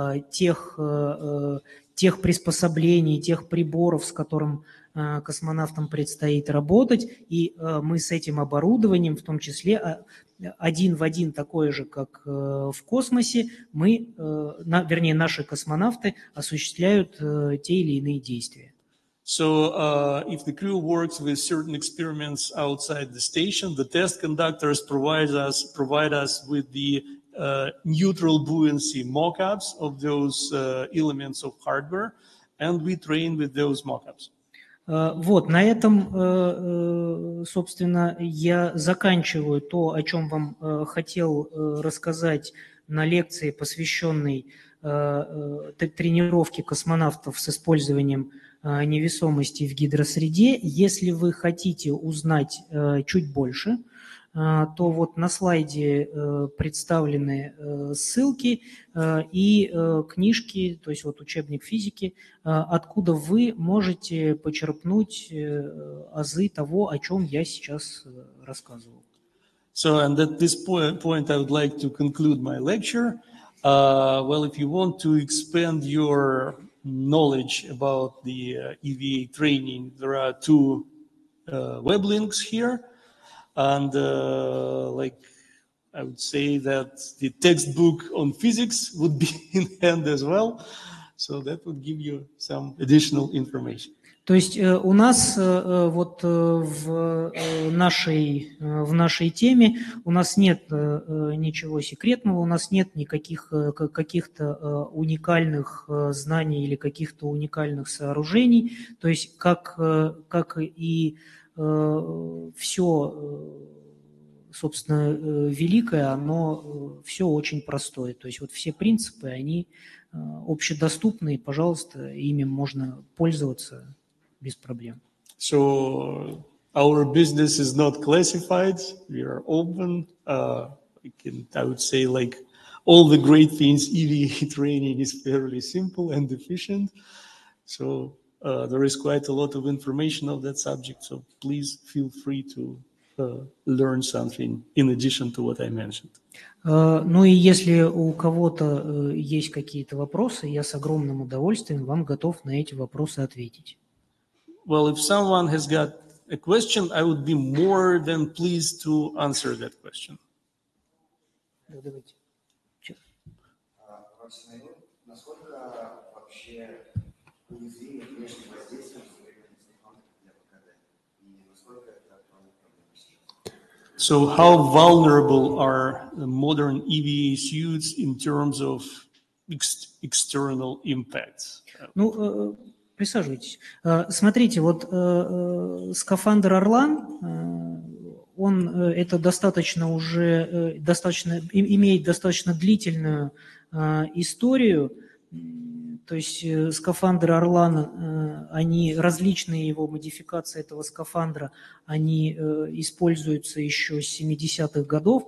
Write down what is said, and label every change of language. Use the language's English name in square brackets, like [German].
[Russian] тех приспособлений, тех приборов, с которым космонавтам предстоит работать, и мы с этим оборудованием, в том числе один в один такое же, как в космосе, наши космонавты осуществляют те или иные действия. [English] So, if the crew works with certain experiments outside the station, the test conductors provide us with the neutral buoyancy mock-ups of those elements of hardware, and we train with those mock-ups. [Russian] Вот, на этом, собственно, я заканчиваю то, о чем вам хотел рассказать на лекции, посвященной тренировке космонавтов с использованием невесомости в гидросреде. Если вы хотите узнать чуть больше, то вот на слайде представлены ссылки и книжки, то есть вот учебник физики, откуда вы можете почерпнуть азы того, о чем я сейчас рассказывал. [English] So, and at this point I would like to conclude my lecture. Well, if you want to expand your knowledge about the EVA training, there are two web links here. And like I would say that the textbook on physics would be in hand as well, so that would give you some additional information. [Russian] То есть у нас вот в нашей теме у нас нет ничего секретного, у нас нет никаких каких-то уникальных знаний или каких-то уникальных сооружений. То есть как и все, собственно, великое, оно все очень простое. То есть вот все принципы, они общедоступны, пожалуйста, ими можно пользоваться без проблем. [English] So our business is not classified, we are open. I would say all the great things EVA training is fairly simple and efficient. So there is quite a lot of information on that subject, so please feel free to learn something in addition to what I mentioned. [Russian] Ну и если у кого-то есть какие-то вопросы, я с огромным удовольствием вам готов на эти вопросы ответить. [English] Well, if someone has got a question, I would be more than pleased to answer that question. [Russian] Да, давайте. [English] So how vulnerable are the modern EVA suits in terms of external impacts? [Russian] Ну, присаживайтесь. Смотрите, вот скафандр Орлан, он это достаточно уже, достаточно, имеет достаточно длительную историю. То есть скафандры Орлана, они различные, его модификации этого скафандра, они используются еще с 70-х годов.